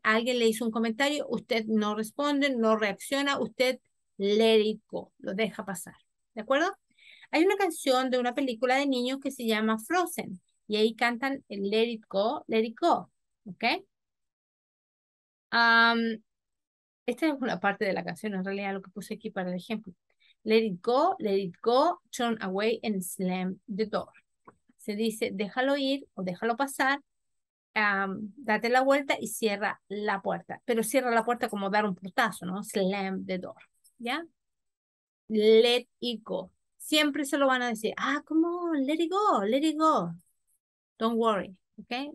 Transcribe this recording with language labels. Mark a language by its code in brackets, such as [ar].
[es] Alguien le hizo un comentario, usted no responde, no reacciona, usted [en] let it go, [es] lo deja pasar. ¿De acuerdo? Hay una canción de una película de niños que se llama Frozen. Y ahí cantan el let it go, ¿ok? Esta es una parte de la canción, en realidad lo que puse aquí para el ejemplo. [en] Let it go, turn away and slam the door. [es] Se dice déjalo ir o déjalo pasar, date la vuelta y cierra la puerta. Pero cierra la puerta como dar un portazo, ¿no? [en] Slam the door, [es] ¿ya? [en] Let it go. [es] Siempre se lo van a decir, ah, ¿cómo? [en] Let it go. Don't worry, ¿ok?